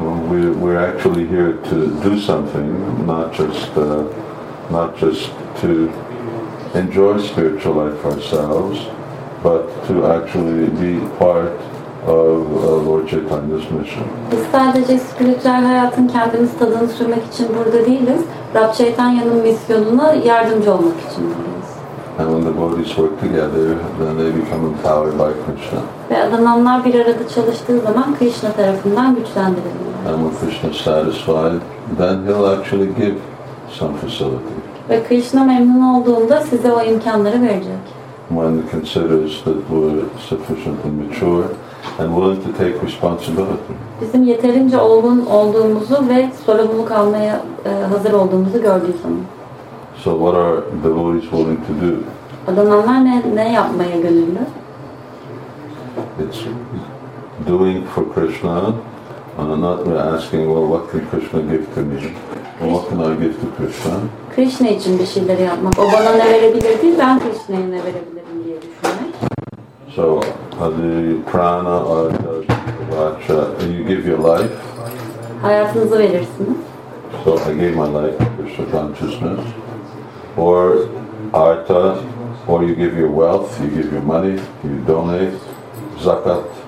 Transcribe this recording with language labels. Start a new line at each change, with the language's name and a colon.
English: We're actually here to do something, not just to enjoy spiritual life ourselves, but to actually be part of Lord Chaitanya's mission.
Turkish: Biz sadece spiritüel hayatın kendimiz tadını sürmek için burada değiliz. Rab Chaitanya'nın misyonuna yardımcı olmak için buradayız.
English: And when the devotees work together, then they become empowered by Krishna.
Turkish: Ve adamlar bir arada çalıştığı zaman Krishna tarafından güçlendiriliyor.
English: And when Krishna is satisfied, then he'll actually give some facility.
Turkish: Ve Krishna memnun olduğunda size o imkanları verecek.
English: When he considers that we're sufficiently mature and willing to take responsibility.
Turkish: Bizim yeterince olgun olduğumuzu ve sorumluluk almaya hazır olduğumuzu gördüğü zaman.
English: So what are devotees willing to do?
Turkish: Adananlar ne yapmaya gönüllü?
English: It's doing for Krishna. Not asking, well, what can Krishna give to me? Or what can I give to Krishna?
Turkish: Krishna için bir şeyler yapmak. O bana ne verebilir değil, ben Krishna'ya ne verebilirim diye düşünmek.
English: So, adi prana, adi vacha, you give your life.
Turkish: Hayatınızı verirsiniz.
English: So, I gave my life to Krishna consciousness. Or artha, or you give your wealth, you give your money, you donate, zakat.